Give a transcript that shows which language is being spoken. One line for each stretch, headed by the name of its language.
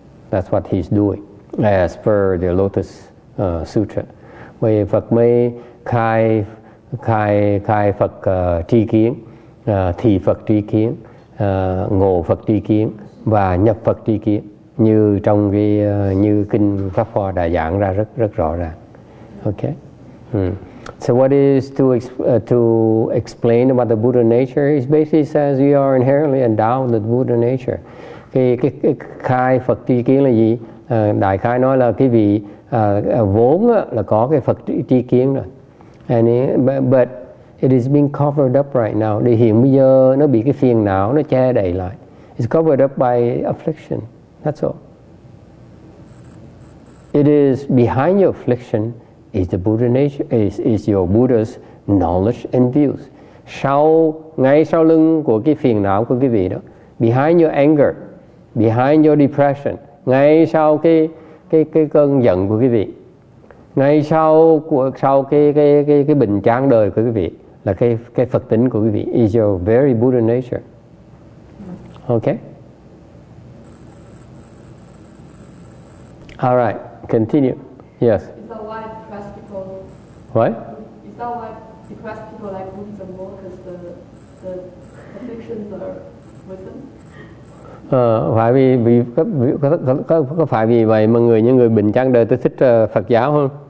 English: That's what he's doing, as per the Lotus Sutra.
Vietnamese: Vậy Phật mới khai khai khai Phật tri kiến, thị Phật tri kiến, ngộ Phật tri kiến và nhập Phật tri kiến như trong cái như kinh Pháp Hoa đã giảng ra rất rất rõ ràng.
English: Okay. So what is to explain about the Buddha nature? He basically says we are inherently endowed with Buddha nature.
Vietnamese: Cái khai Phật tri kiến là gì? Đại khái nói là cái vị vốn là có cái Phật tri kiến rồi.
English: And but it is being covered up right now.
Vietnamese: Thì hiện bây giờ nó bị cái phiền não nó che đậy lại.
English: It's covered up by affliction. That's all. It is behind your affliction is the Buddha nature, is your Buddha's knowledge and views.
Vietnamese: Sau, ngay sau lưng của cái phiền não của cái vị đó,
English: behind your anger, behind your depression,
Vietnamese: ngay sau cái cơn giận của quý vị, ngay sau cái bình chán đời của quý vị là cái Phật tính của quý vị
English: is your very Buddha nature. Okay. All right, continue. Yes. Is that why depressed people? What? Is that why depressed people like Buddhism more because the afflictions are with them?
Vietnamese: Phải vì có phải vì vậy mà người những người bình chán đời tôi thích Phật giáo không?